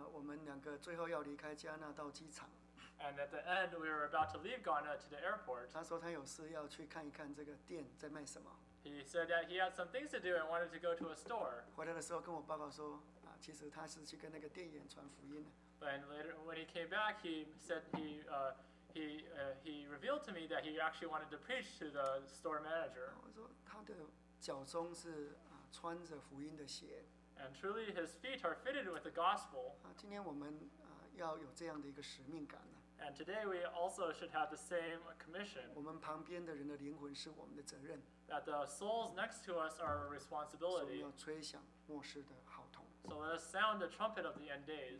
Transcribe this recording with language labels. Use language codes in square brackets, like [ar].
[zh] 我们两个最后要离开加纳到机场。 [en] And at the end, we were about to leave Ghana to the airport. [zh] 他说他有事要去看一看这个店在卖什么。 [en] He said that he had some things to do and wanted to go to a store. [zh] 回来的时候跟我报告说，其实他是去跟那个店员传福音的。 [en] And later, when he came back, he said he revealed to me that he actually wanted to preach to the store manager. [zh] 我说他的脚中是穿着福音的鞋。 [en] And truly, his feet are fitted with the gospel. [zh] 今天我们要有这样的一个使命感呢。 [en] And today we also should have the same commission. [zh] 我们旁边的人的灵魂是我们的责任。 [en] That the souls next to us are our responsibility. [zh] 所以要吹响末世的号筒。 [en] So let us sound the trumpet of the end days.